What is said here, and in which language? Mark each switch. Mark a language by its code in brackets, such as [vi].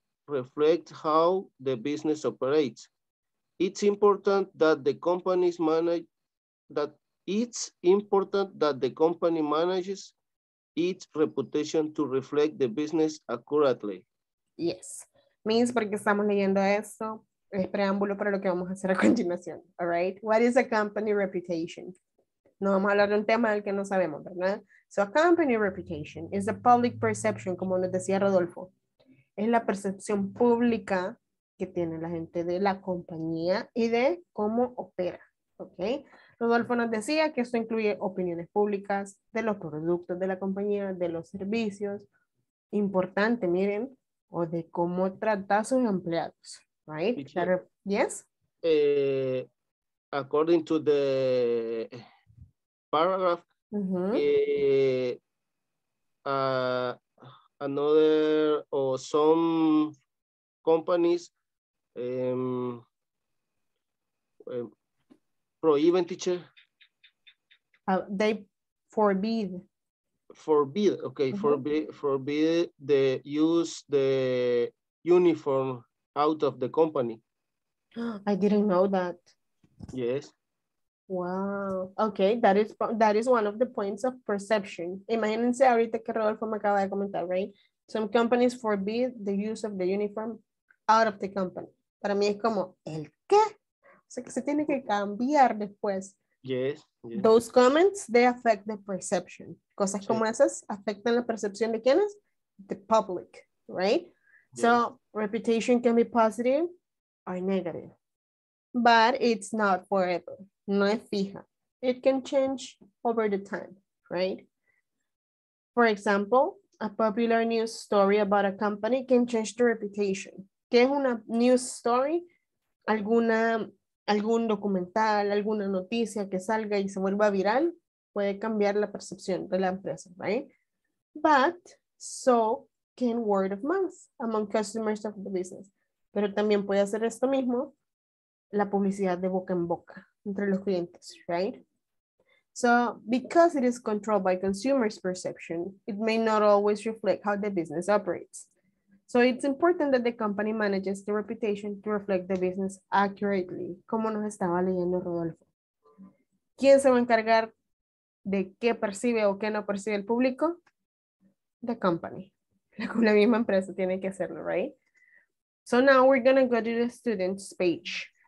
[en] reflect how the business operates. It's important that the company's manage that it's important that the company manages its reputation to reflect the business accurately. Yes. [es] Means porque estamos leyendo eso, es preámbulo para lo que vamos a hacer a continuación. [en] All right. What is a company reputation? [es] No vamos a hablar de un tema del que no sabemos, ¿verdad? [en] So a company reputation is a public perception, [es] como nos decía Rodolfo. Es la percepción pública que tiene la gente de la compañía y de cómo opera, ¿ok? Rodolfo nos decía que esto incluye opiniones públicas de los productos de la compañía, de los servicios, importante, miren, o de cómo trata a sus empleados, right? [en] Sure. Yes? According to the paragraph, another or some companies prohíben, teacher. They forbid. Forbid, okay. Mm-hmm. Forbid the use the uniform out of the company. I didn't know that. Yes. Wow. Okay, that is one of the points of perception. [es] Imagínense ahorita que Rodolfo me acaba de comentar, [en] right? Some companies forbid the use of the uniform out of the company. [es] Para mí es como, ¿el qué? O sea, que se tiene que cambiar después. [en] Yes. Those comments, they affect the perception. [es] Cosas como esas afectan la percepción de quiénes? [en] The public, right? Yes. So, reputation can be positive or negative. But it's not forever. [es] No es fija. [en] It can change over the time, right? For example, a popular news story about a company can change the reputation. [es] ¿Qué es una news story? Algún documental, alguna noticia que salga y se vuelva viral, puede cambiar la percepción de la empresa, right? [en] But so can word of mouth among customers of the business. [es] Pero también puede hacer esto mismo, la publicidad de boca en boca entre los clientes, right? [en] So because it is controlled by consumers' perception, it may not always reflect how the business operates. So it's important that the company manages the reputation to reflect the business accurately, [es] como nos estaba leyendo Rodolfo. ¿Quién se va a encargar de qué percibe o qué no percibe el público? [en] The company. [es] La misma empresa tiene que hacerlo, right? [en] So now we're going to go to the student's page.